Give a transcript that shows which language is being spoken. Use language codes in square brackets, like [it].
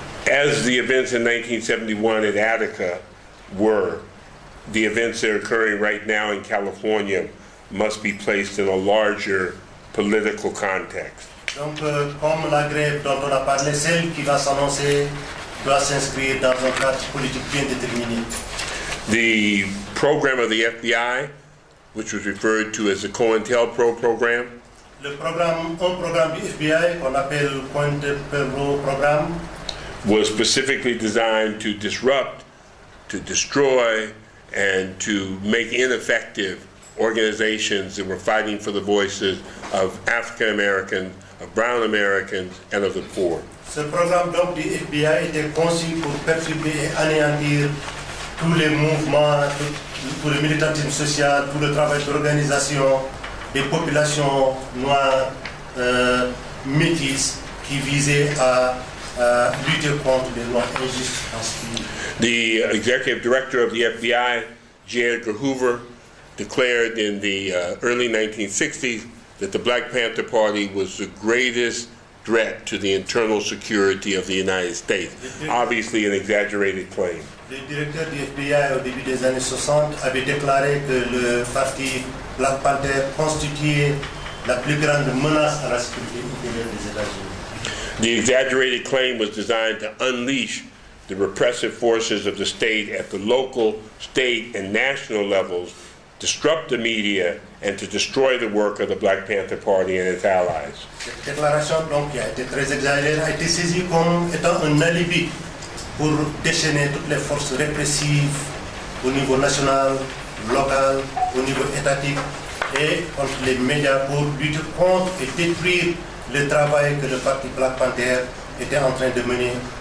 [en] As the events in 1971 at Attica were, the events that are occurring right now in California must be placed in a larger political context. [fr] Donc, comme la grève dont on a parlé, celle qui va s'annoncer doit s'inscrire dans un cadre politique bien déterminé. [en] The program of the FBI, which was referred to as the COINTELPRO program. [fr] Le programme, un programme du FBI qu'on appelle le COINTELPRO program. [en] Was specifically designed to disrupt, to destroy, and to make ineffective organizations that were fighting for the voices of African Americans, of brown Americans, and of the poor. [fr] Ce programme donc du FBI était conçu pour perturber et anéantir tous les mouvements, tout le militantisme social, tout le travail d'organisation des populations noires métisses qui visaient à lutter contre les lois injustes en ce qui. [en] The executive director of the FBI, J. Edgar Hoover, declared in the early 1960s that the Black Panther Party was the greatest threat to the internal security of the United States. Obviously an exaggerated claim. [fr] Le directeur du FBI au début des années 60 avait déclaré que le parti Black Panther constituait la plus grande menace à la sécurité intérieure des États-Unis. [en] The exaggerated claim was designed to unleash the repressive forces of the state at the local, state, and national levels, disrupt the media, and to destroy the work of the Black Panther Party and its allies. [fr] Cette déclaration, donc, qui a été très exagérée, a été saisie comme étant un alibi pour déchaîner toutes les forces répressives au niveau national, local, au niveau étatique, et contre les médias pour lutter contre et détruire le travail que le parti Black Panther était en train de mener.